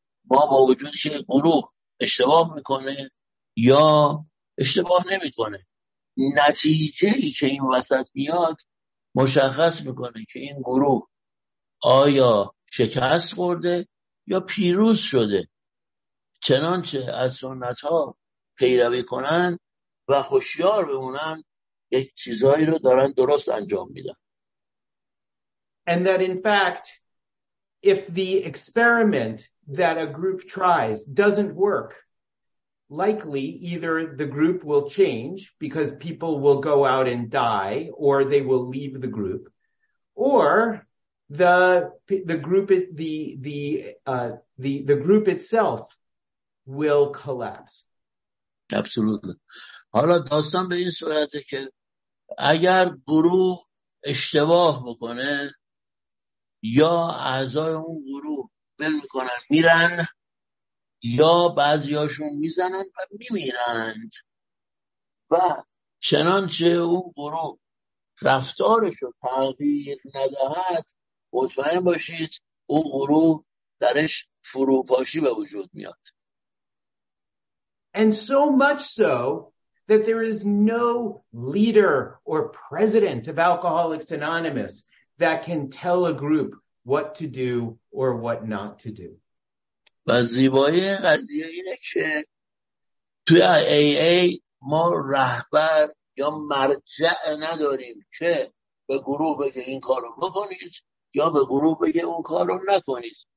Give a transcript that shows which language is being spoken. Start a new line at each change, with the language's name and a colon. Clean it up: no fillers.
Persian: ما با وجود که گروه اشتباه میکنه یا اشتباه نمیکنه، نتیجه ای که این وسط میاد مشخص میکنه که این گروه آیا شکست خورده یا پیروز شده. چنانچه از سنت ها پیروی کنن و هوشیار بمونن، یک چیزایی رو دارن درست انجام میدن.
English: And that in fact if the experiment that a group tries doesn't work, likely either the group will change because people will go out and die or they will leave the group, or the group itself will collapse. Absolutely.
Persian: حالا داستان به این صورته که اگر گروه اشتباه بکنه یا اعضای اون گروه بل میکنن میرن یا بعضی هاشون میزنن و میمیرند، و چنانچه اون گروه رفتارش رو تغییر ندهد، مطمئن باشید اون گروه درش فروپاشی به وجود میاد.
English: And so much so that there is no leader or president of Alcoholics Anonymous that can tell a group what to do or what not to do.
Persian: و زیبایی قضیه اینه که توی AA ما رهبر یا مرجع نداریم که به گروه بگه این کار رو بکنید یا به گروه بگه اون کار رو نکنید.